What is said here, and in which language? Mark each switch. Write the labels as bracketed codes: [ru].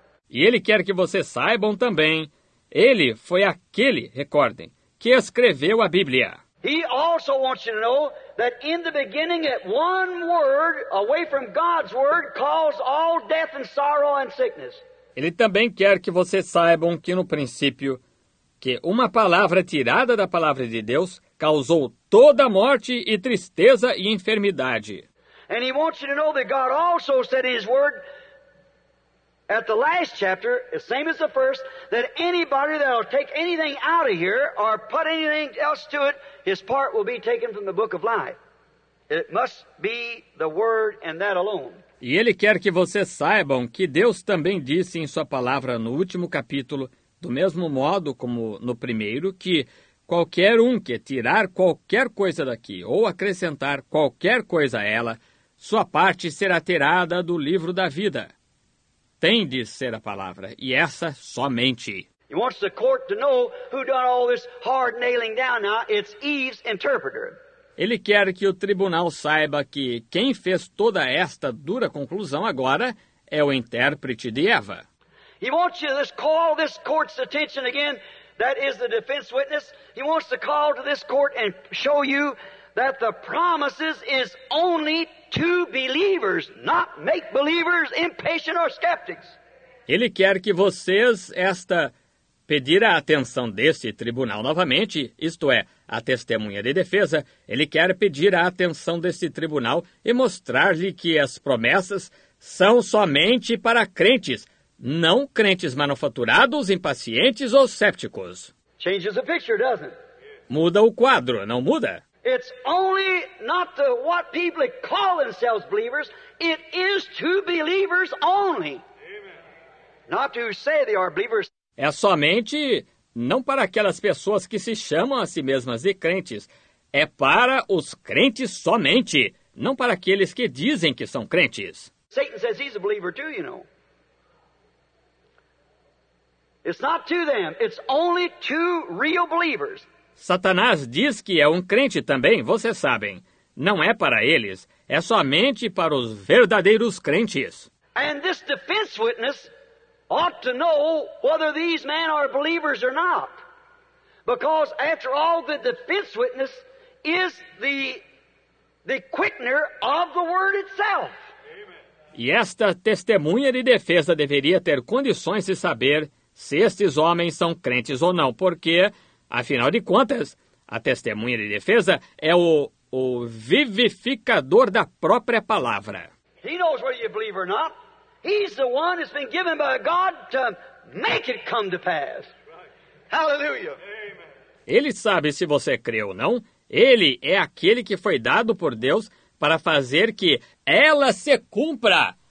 [pt] E ele quer que vocês saibam também, ele foi aquele, recordem, que escreveu a Bíblia. [en] He also wants you to know that in the beginning, at one word away from God's word caused all death and sorrow and sickness. [pt] Ele também quer que vocês saibam que no princípio, que uma palavra tirada da palavra de Deus causou toda a morte e tristeza e enfermidade. [en] And he wants you to know that God also said in his word at the last chapter, the same as the first, that anybody that will take anything out of here or put anything else to it, his part will be taken from the book of life. It must be the word and that alone. [pt] E ele quer que vocês saibam que Deus também disse em sua palavra no último capítulo, do mesmo modo como no primeiro, que qualquer um que tirar qualquer coisa daqui ou acrescentar qualquer coisa a ela, sua parte será tirada do livro da vida. Tem de ser a palavra, e essa somente. [en] He wants the court to know who done all this hard nailing down now. It's Eve's interpreter. [pt] Ele quer que o tribunal saiba que quem fez toda esta dura conclusão agora é o intérprete de Eva. [en] He wants you to call this court's attention again, that is the defense witness. He wants to call to this court and show you that the promises is only to believers, not make believers impatient or skeptics. [pt] Ele quer que vocês, pedir a atenção desse tribunal novamente, isto é, a testemunha de defesa, ele quer pedir a atenção desse tribunal e mostrar-lhe que as promessas são somente para crentes, não crentes manufaturados, impacientes ou cépticos. [en] Changes the picture, doesn't it? [pt] Muda o quadro, não muda? [en] It's only not to what people call themselves believers, it is to believers only. Amen. Not to say they are believers. [pt] É somente não para aquelas pessoas que se chamam a si mesmas de crentes, é para os crentes somente, não para aqueles que dizem que são crentes. [en] Satan says he's a believer too, you know. It's not to them, it's only to real believers. [pt] Satanás diz que é um crente também, vocês sabem. Não é para eles, é somente para os verdadeiros crentes. [en] And this defense witness ought to know whether these men are believers or not. Because after all, the defense witness is the quickener of the word itself. [pt] E esta testemunha de defesa deveria ter condições de saber se estes homens são crentes ou não, porque, afinal de contas, a testemunha de defesa é o vivificador da própria palavra. [en] He knows whether you believe or not. He's the one that's been given by God to make it come to pass. Hallelujah. [pt] Ele sabe se você crê ou não. Ele é aquele que foi dado por Deus para fazer que ela se cumpra.